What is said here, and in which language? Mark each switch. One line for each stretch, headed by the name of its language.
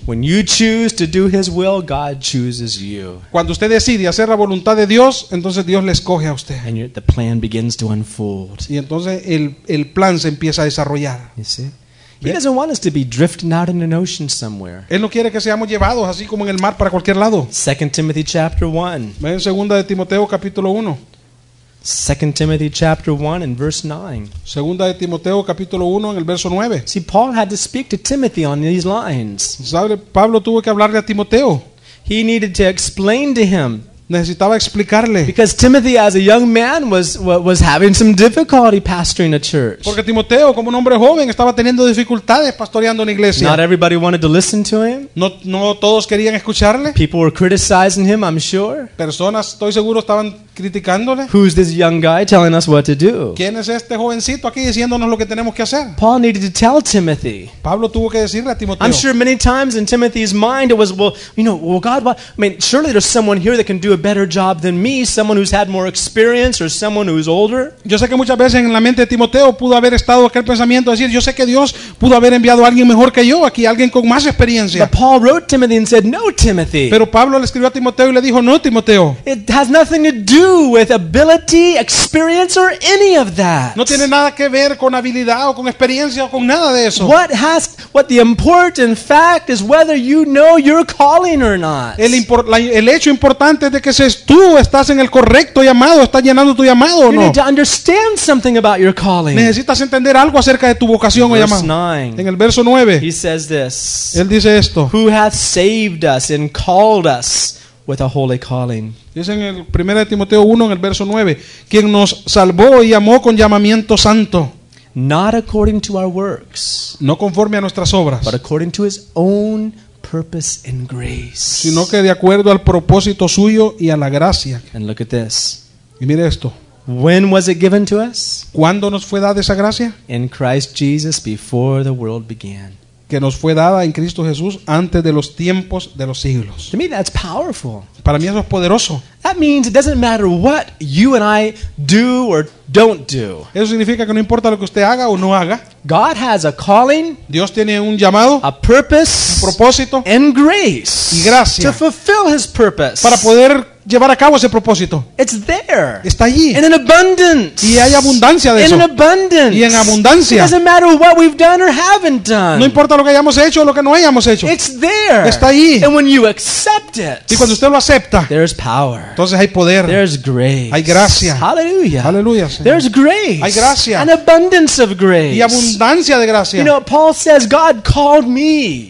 English: When you choose to do his will, God chooses you.
Spanish: Cuando usted decide hacer la voluntad de Dios, entonces Dios le escoge a usted.
English: And the plan begins to unfold.
Spanish: Y entonces el plan se empieza a desarrollar.
English: You see? He doesn't want us to be drifting out in an ocean somewhere.
Spanish: Él no quiere que seamos llevados así como en el mar para cualquier lado.
English: 2 Timothy chapter 1.
Spanish: Ve en 2 de Timoteo capítulo 1.
English: 2 Timothy chapter 1 and verse 9.
Spanish: Segunda de Timoteo capítulo 1 en el verso 9.
English: See, Paul had to speak to Timothy on these lines.
Spanish: ¿Sabe? Pablo tuvo que hablarle a Timoteo.
English: He needed to explain to him.
Spanish: Necesitaba explicarle.
English: Because Timothy as a young man was having some difficulty pastoring a church.
Spanish: Porque Timoteo como un hombre joven estaba teniendo dificultades pastoreando una iglesia.
English: Not everybody wanted to listen to him.
Spanish: No todos querían escucharle.
English: People were criticizing him, I'm sure.
Spanish: Personas, estoy seguro, estaban criticándole.
English: Who's this young guy telling us what to do?
Spanish: ¿Quién es este jovencito aquí diciéndonos lo que tenemos que hacer?
English: Paul needed to tell Timothy.
Spanish: Pablo tuvo que decirle a Timoteo.
English: I'm sure many times in Timothy's mind it was, well, you know, well, God, what? I mean, surely there's someone here that can do a better job than me, someone who's had more experience or someone who's older.
Spanish: Yo sé que muchas veces en la mente de Timoteo pudo haber estado aquel pensamiento de decir, yo sé que Dios pudo haber enviado a alguien mejor que yo aquí, alguien con más experiencia.
English: But Paul wrote Timothy and said, no, Timothy.
Spanish: Pero Pablo le escribió a Timoteo y le dijo, no, Timoteo.
English: It has nothing to do with ability, experience, or any of that.
Spanish: No tiene nada que ver con habilidad o con experiencia o con nada de eso.
English: What the important fact is whether you know your calling or not.
Spanish: El hecho importante es de que seas tú estás en el correcto llamado, estás llenando tu llamado o no.
English: You need to understand something about your calling.
Spanish: Necesitas entender algo acerca de tu vocación o llamado. En el verso 9,
English: he says this.
Spanish: Él dice esto.
English: Who hath saved us and called us with a holy calling.
Spanish: Dice en el 1 Timoteo 1 en el verso 9, quien nos salvó y llamó con llamamiento santo.
English: Not according to our works.
Spanish: No conforme a nuestras obras.
English: But according to his own purpose and grace.
Spanish: Sino que de acuerdo al propósito suyo y a la gracia.
English: And look at this.
Spanish: Y mire esto.
English: When was it given to us?
Spanish: ¿Cuándo nos fue dada esa gracia?
English: In Christ Jesus before the world began.
Spanish: Que nos fue dada en Cristo Jesús antes de los tiempos de los siglos.
English: To me, that's powerful.
Spanish: Para mí eso es poderoso.
English: That means it doesn't matter what you and I do or don't do.
Spanish: Eso significa que no importa lo que usted haga o no haga.
English: God has a calling.
Spanish: Dios tiene un llamado.
English: A purpose.
Spanish: Un propósito.
English: And grace.
Spanish: Y gracia.
English: To fulfill his purpose.
Spanish: Para poder llevar a cabo ese propósito.
English: It's there.
Spanish: Está allí.
English: And in abundance.
Spanish: Y hay abundancia de
English: and
Spanish: eso.
English: In abundance.
Spanish: Y en abundancia.
English: It doesn't matter what we've done or haven't done.
Spanish: No importa lo que hayamos hecho o lo que no hayamos hecho.
English: It's there.
Spanish: Está allí.
English: And when you accept it.
Spanish: Y cuando usted lo acepta.
English: There's power.
Spanish: Entonces hay poder.
English: There's grace.
Spanish: Hay gracia.
English: Hallelujah.
Spanish: Hallelujah, Señor.
English: There's grace.
Spanish: Hay gracia.
English: An abundance of grace.
Spanish: Y abundancia de gracia.
English: You know, Paul says, God called me.